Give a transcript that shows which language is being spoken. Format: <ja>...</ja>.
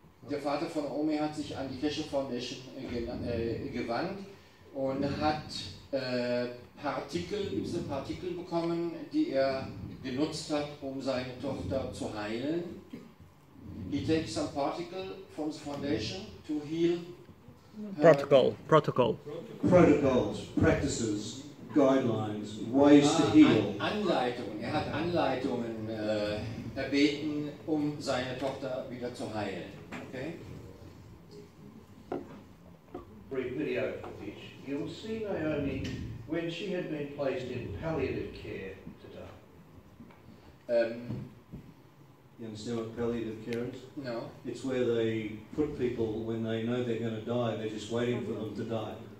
<de>Der Vater von Naomi hat sich an die Keshe Foundation gewandt und hat Partikel bekommen, die er genutzt hat, um seine Tochter zu heilen.</de> <en>He takes some particle from the foundation to heal. Protocols, practices, guidelines, ways to heal.</en> <de>Anleitungen. Er hat Anleitungen erbeten, um seine Tochter wieder zu heilen.</de> <en>Okay. Brief video footage. You will see Naomi when she had been placed in palliative care to die. You understand what palliative care is? No. It's where they put people when they know they're going to die, they're just waiting for them to die.</en>